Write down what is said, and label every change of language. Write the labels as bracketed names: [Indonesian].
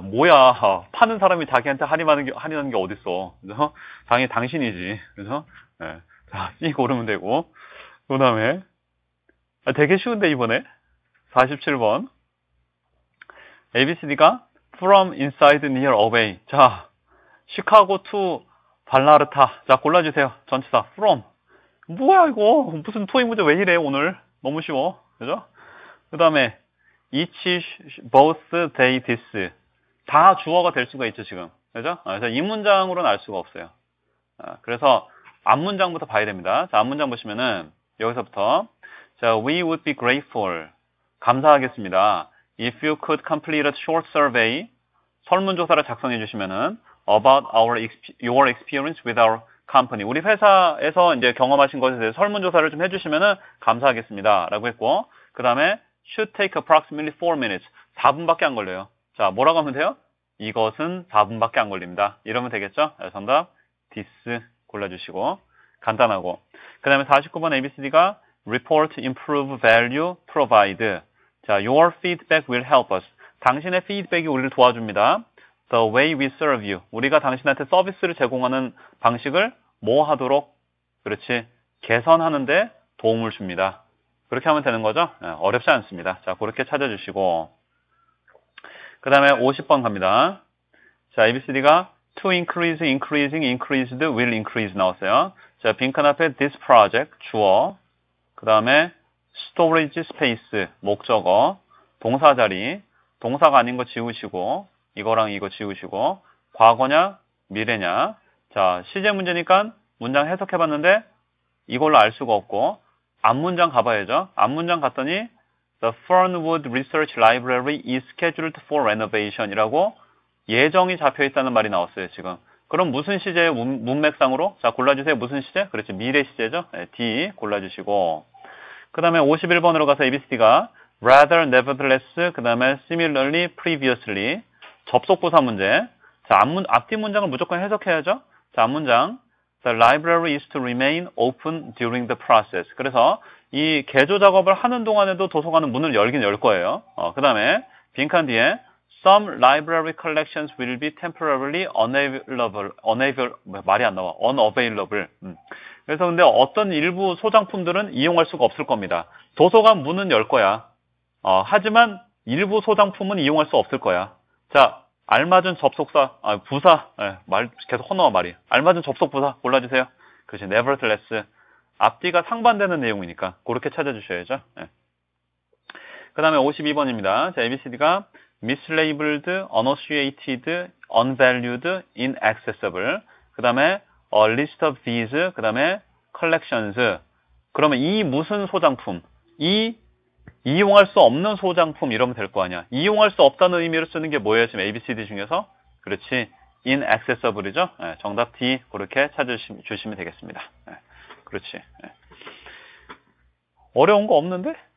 [Korean] 뭐야, 파는 사람이 자기한테 할인하는 게 어딨어. 그죠? 당연히 당신이지. 그죠? 네. 자, C 고르면 되고. 그 다음에, 아, 되게 쉬운데, 이번에. 47번. [English] ABCD가 from inside near away. [Korean] 자, 시카고 to 발라르타. 자, 골라주세요. 전치사 from. 뭐야, 이거. 무슨 토익 문제 왜 이래, 오늘. 너무 쉬워. 그죠? [English] 그 다음에, each, both, they, this. [Korean] 다 주어가 될 수가 있죠, 지금. 그죠? 그래서 이 문장으로는 알 수가 없어요. 그래서 앞 문장부터 봐야 됩니다. 자, 앞 문장 보시면은, 여기서부터, 자, [English] we would be grateful. [Korean] 감사하겠습니다. [English] If you could complete a short survey, [Korean] 설문조사를 작성해 주시면은, [English] about your experience with our company. [Korean] 우리 회사에서 이제 경험하신 것에 대해서 설문조사를 좀 해주시면은 감사하겠습니다. 라고 했고, 그 다음에, [English] should take approximately 4 minutes. [Korean] 4분밖에 안 걸려요. 자, 뭐라고 하면 돼요? 이것은 4분밖에 안 걸립니다. 이러면 되겠죠? 정답, this 골라주시고, 간단하고. 그 다음에 49번 ABCD가 [English] report improve value provide. 자, your feedback will help us. [Korean] 당신의 피드백이 우리를 도와줍니다. [English] The way we serve you. [Korean] 우리가 당신한테 서비스를 제공하는 방식을 뭐 하도록, 그렇지, 개선하는데 도움을 줍니다. 그렇게 하면 되는 거죠? 어렵지 않습니다. 자, 그렇게 찾아주시고. 그 다음에 50번 갑니다. [English] 자, ABCD가 to increase, increasing, increased, will increase 나왔어요. [Korean] 자, 빈칸 앞에 this project, 주어. 그 다음에 storage space, 목적어. 동사 자리. 동사가 아닌 거 지우시고. 이거랑 이거 지우시고, 과거냐, 미래냐. 자, 시제 문제니까 문장 해석해봤는데, 이걸로 알 수가 없고, 앞 문장 가봐야죠. 앞 문장 갔더니, [English] The Fernwood Research Library is scheduled for renovation [Korean] 이라고 예정이 잡혀 있다는 말이 나왔어요, 지금. 그럼 무슨 시제 문맥상으로? 자, 골라주세요. 무슨 시제? 그렇지, 미래 시제죠. 네, D 골라주시고. 그 다음에 51번으로 가서 ABCD가, rather, nevertheless, 그 다음에 similarly, previously, 접속부사 문제. 자, 앞뒤 문장을 무조건 해석해야죠. 자, 앞 문장. [English] The library is to remain open during the process. [Korean] 그래서 이 개조 작업을 하는 동안에도 도서관은 문을 열긴 열 거예요. 그 다음에 빈칸 뒤에 [English] some library collections will be temporarily unavailable. [Korean] Unavailable 말이 안 나와. [English] Unavailable. [Korean] 그래서 근데 어떤 일부 소장품들은 이용할 수가 없을 겁니다. 도서관 문은 열 거야. 하지만 일부 소장품은 이용할 수 없을 거야. 자, 알맞은 접속사, 아, 부사, 예, 말, 계속 헌어와 말이에요. 알맞은 접속부사, 골라주세요. 그렇지, nevertheless. 앞뒤가 상반되는 내용이니까, 그렇게 찾아주셔야죠. 예. 그 다음에 52번입니다. 자, ABCD가 [English] mislabeled, unassociated, unvalued, inaccessible. 그 다음에 a list of these, 그 다음에 collections. [Korean] 그러면 이 무슨 소장품, 이 이용할 수 없는 소장품 이러면 될거 아니야. 이용할 수 없다는 의미로 쓰는 게 뭐예요? 지금 ABCD 중에서? 그렇지. inaccessible이죠? 네, 정답 D. 그렇게 찾으시면 되겠습니다. 네, 그렇지. 네. 어려운 거 없는데?